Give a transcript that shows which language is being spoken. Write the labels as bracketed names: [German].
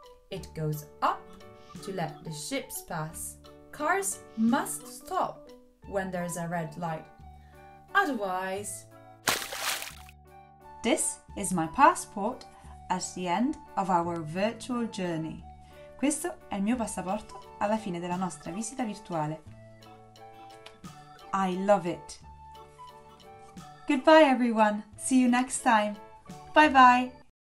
[English] It goes up to let the ships pass. Cars must stop when there's a red light. Otherwise... This is my passport at the end of our virtual journey. [Italian] Questo è il mio passaporto alla fine della nostra visita virtuale. [English] I love it. Goodbye, everyone. See you next time. Bye bye.